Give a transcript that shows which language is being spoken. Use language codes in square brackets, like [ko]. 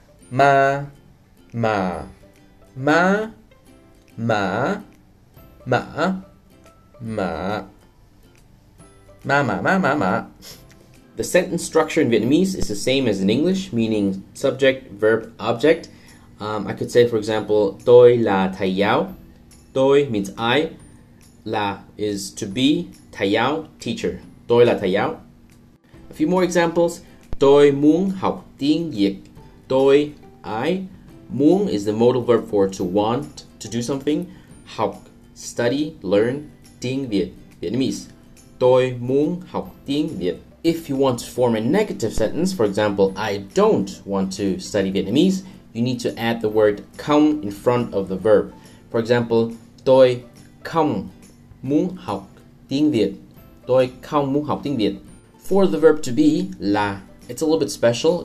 [en] Ma, ma, ma, ma, ma, ma, ma, ma, ma, ma, ma. The sentence structure in Vietnamese is the same as in English, meaning subject, verb, object. I could say, for example, [vi] tôi là thầy giáo. [en] Tôi means I. Là is to be. Thầy giáo, teacher. [vi] Tôi là thầy giáo. [en] A few more examples. [vi] Tôi muốn học tiếng Việt. Tôi, I. [en] Muốn is the modal verb for to want, to do something. Học, study, learn. [vi] Tiếng Việt, Vietnamese. Tôi muốn học tiếng Việt. [en] If you want to form a negative sentence, for example, I don't want to study Vietnamese, you need to add the word không in front of the verb. For example, [vi] tôi không muốn học tiếng Việt. Tôi không muốn học tiếng Việt. [en] For the verb to be, là, it's a little bit special.